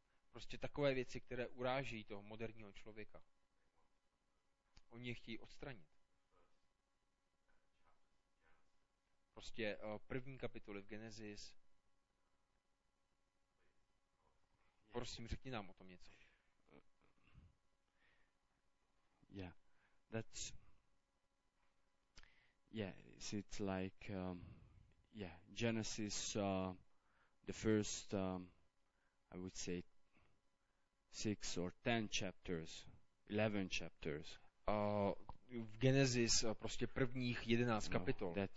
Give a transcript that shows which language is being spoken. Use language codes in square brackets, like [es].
[cs] Prostě takové věci, které urážejí toho moderního člověka. Oni je chtějí odstranit. Prostě první kapitoly v Genesis. Prosím, řekni nám o tom něco. [en] Yeah, that's, yeah, it's like, yeah, Genesis, the first, I would say, 11 chapters. [cs] V Genesis, prostě prvních 11 kapitol.